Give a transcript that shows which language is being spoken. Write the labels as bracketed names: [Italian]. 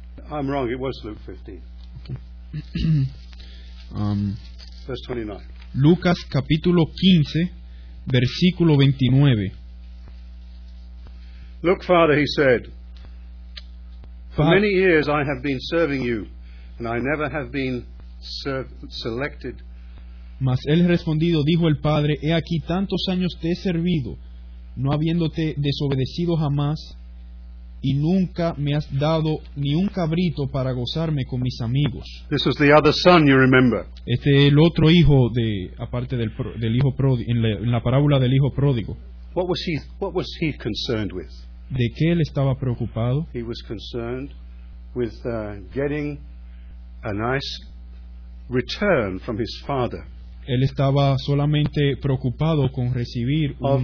[English] I'm wrong, it was Luke 15. Verse 29. [Spanish] Lucas capítulo 15, versículo 29. [English] Look, Father, he said, for many years I have been serving you, and I never have been selected. [Spanish] Mas él respondido dijo el Padre, he aquí tantos años te he servido, no habiéndote desobedecido jamás, y nunca me has dado ni un cabrito para gozarme con mis amigos. [English] This is the other son, you remember. [Spanish] Este es el otro hijo, aparte del hijo pródigo, en la parábola del hijo pródigo. [English] What was he concerned with? [Spanish] ¿De qué él estaba preocupado? [English] He was concerned with getting a nice return from his father. [Spanish] Él estaba solamente preocupado con recibir